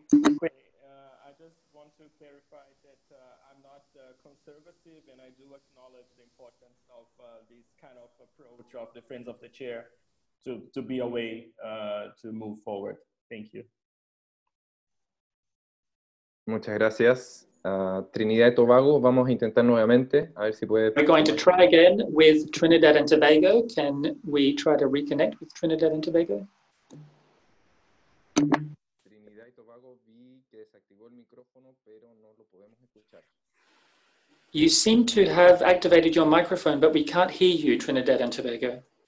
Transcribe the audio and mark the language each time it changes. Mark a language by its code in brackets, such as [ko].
[en] I just want to clarify that I'm not conservative, and I do acknowledge the importance of this kind of approach of the Friends of the Chair to be a way to move forward. Thank you. [es] Muchas gracias. Trinidad y Tobago, vamos a intentar nuevamente, a ver si puede... [en] We're going to try again with Trinidad and Tobago. Can we try to reconnect with Trinidad and Tobago? [es] Trinidad y Tobago, vi que desactivó el micrófono, pero no lo podemos escuchar. [en] You seem to have activated your microphone, but we can't hear you, Trinidad and Tobago.